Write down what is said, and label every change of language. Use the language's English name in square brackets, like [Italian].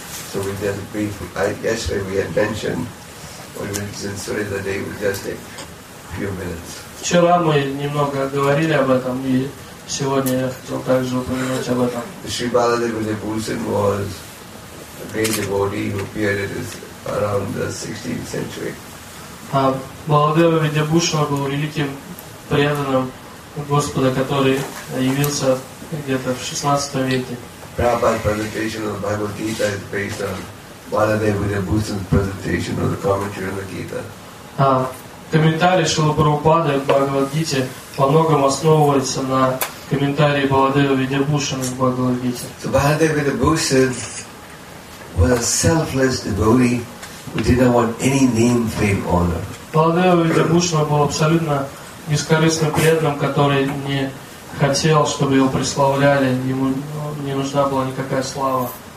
[English] So we just briefly, yesterday we had mentioned, when we started the day, we just take a few minutes. [Russian] Вчера мы немного говорили об этом, и сегодня я хотел также упомянуть об этом. [English] Шри Баладева Видябушан was a great devotee who appeared around the 16th century. [Russian] Баладева Видябушан был великим преданным Господа, который явился где-то в 16 веке. [English] Prabhupada's presentation of the Bhagavad Gita is based on Baladeva Vidyabhushan's presentation of the commentary on the Gita. [Russian] Комментарий Шрилы Прабхупады в Бхагавад Гите во многом основывается на комментарии Баладева Видябушана в Бхагавад Гите. [English] So Baladeva Vidyabhushan was a selfless devotee who didn't want any name, fame, honor. [Russian] Баладева Видябушана был абсолютно бескорыстным преданным, который не хотел, чтобы его прославляли, ему не нужна была никакая слава.